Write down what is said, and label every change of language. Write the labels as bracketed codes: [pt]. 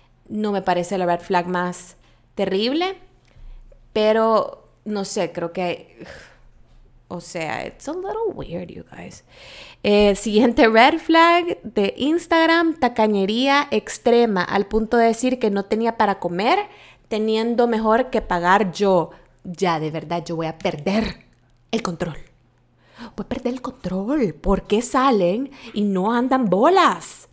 [es] No me parece la red flag más terrible. Pero, no sé, creo que... O sea, [en] it's a little weird, you guys. [es] Siguiente red flag de Instagram, tacañería extrema, al punto de decir que no tenía para comer, teniendo mejor que pagar yo. Ya, de verdad, yo voy a perder el control. Voy a perder el control. ¿Por qué salen y no andan bolas?